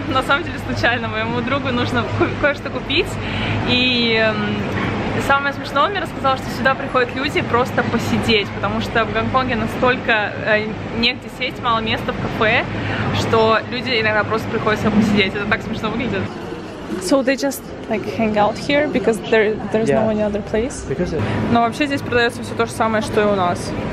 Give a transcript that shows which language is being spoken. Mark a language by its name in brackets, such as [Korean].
[Russian] На самом деле, случайно моему другу нужно кое-что купить. И самое смешное, он мне рассказал, что сюда приходят люди просто посидеть, потому что в Гонконге настолько негде сесть, мало места в кафе, что люди иногда просто приходят сюда посидеть. Это так смешно выглядит. [English] So they just like hang out here because there's no any other place. [Russian] Но вообще здесь продается все то же самое, что и у нас.